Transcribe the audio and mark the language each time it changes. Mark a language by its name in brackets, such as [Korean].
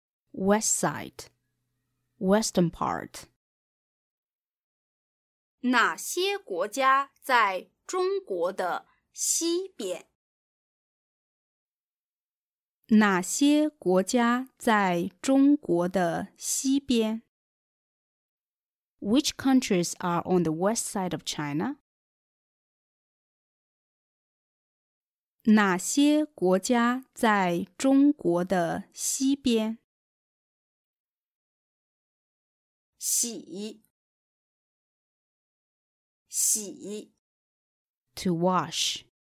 [English] West side, western part. [Chinese] 哪些国家在中国的西边？哪些国家在中国的西边？ [English] Which countries are on the west side of China? [Chinese] 哪些国家在中国的西边？洗，洗。 [English] To wash.